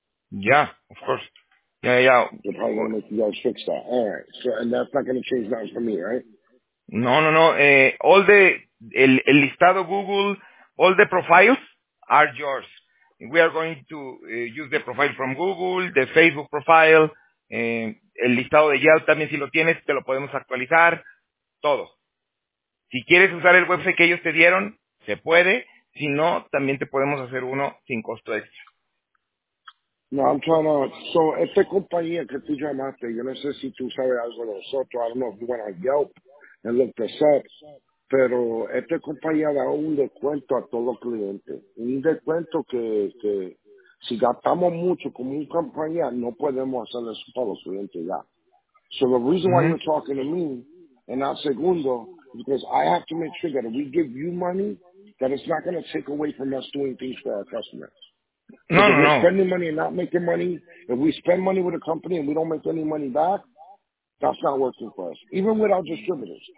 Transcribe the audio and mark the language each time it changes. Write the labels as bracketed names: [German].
[English] Yeah, of course. Yeah, yeah. They're probably going to make you guys fix that. All right. So, and that's not going to change nothing for me, right? No, no, no. All the [Spanish] el listado [English] Google, all the profiles are yours. We are going to use the profile from Google, the Facebook profile. [Spanish] El listado de Yelp también, si lo tienes, te lo podemos actualizar. Todo. Si quieres usar el website que ellos te dieron, se puede. Si no, también te podemos hacer uno sin costo extra. [English] No, I'm trying to... So, [Spanish] esta compañía que tú llamaste, yo no sé si tú sabes algo de nosotros. [English] I don't know if you went on Yelp and looked us up. [Spanish] Pero esta compañía da un descuento a todos los clientes. Un descuento que si gastamos mucho como una compañía, no podemos hacer eso para los clientes ya. [English] So the reason why you're talking to me, and not segundo, is because I have to make sure that if we give you money, that it's not going to take away from us doing things for our customers. No, if no, we're no. spending money and not making money, if we spend money with a company and we don't make any money back, that's not working for us. Even with our distributors.